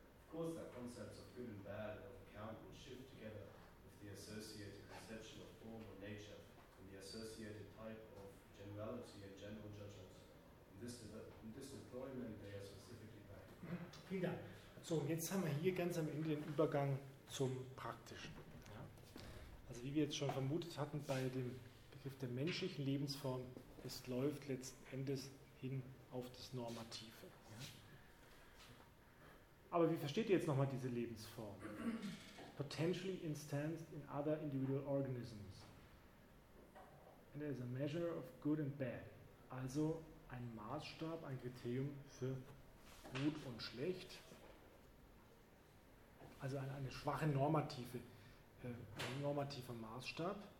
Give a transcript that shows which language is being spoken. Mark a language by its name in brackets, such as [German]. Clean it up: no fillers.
[English] course that concepts of good and bad and of account will shift together with the associated conception of form or nature and the associated type of generality and general judgments. In this deployment they are specifically practical. [German] Vielen Dank. So, und jetzt haben wir hier ganz am Ende den Übergang zum Praktischen. Ja. Also wie wir jetzt schon vermutet hatten, bei dem Begriff der menschlichen Lebensform, es läuft letzten Endes hin auf das Normative. Ja. Aber wie versteht ihr jetzt nochmal diese Lebensform? [English] Potentially instanced in other individual organisms. And it is a measure of good and bad. [German] Also ein Maßstab, ein Kriterium für gut und schlecht. Also eine schwache normative, ein normativer Maßstab.